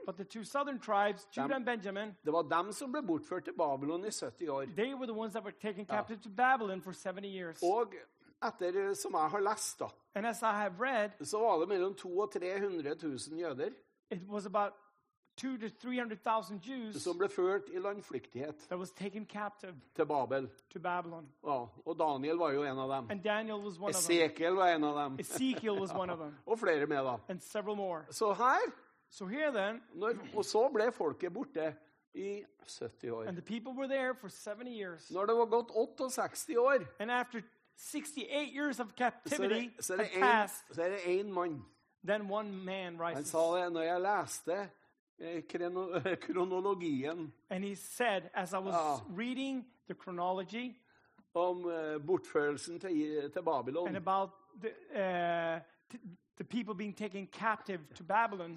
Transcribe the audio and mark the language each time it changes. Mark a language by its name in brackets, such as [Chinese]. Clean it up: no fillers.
[English] but the two southern tribes, Judah and Benjamin, [Norwegian] det var dem som ble bortført til Babylon i 70 år. [English] They were the ones that were taken captive to Babylon for 70 years. [Norwegian] Og etter som jeg har lest da, [English] and as I have read, [Norwegian] så var det mellom 200,000 og 300,000 jøder. [English] It was about 200,000 to 300,000 Jews [Norwegian] som ble ført i landflyktighet [English] that was taken captive [Norwegian] til Babel. [English] To Babylon. [Norwegian] Ja, og Daniel var jo en av dem. [English] And Daniel was one Ezekiel [Norwegian] Var en av dem. [English] Ezekiel was one of them. [Norwegian] Og flere med da. [English] And several more. [Norwegian] Så her, [English] so here then, [Norwegian] og så ble folket borte i 70 år. [English] And the people were there for 70 years. [Norwegian] Når det var gått 68 år. [English] And after 68 years of captivity had passed, then one man rises. [Norwegian] Han sa det når jeg leste kronologien. [English] And he said, as I was reading the chronology, [Norwegian] om bortførelsen til Babylon, [English] and about the people being taken captive to Babylon,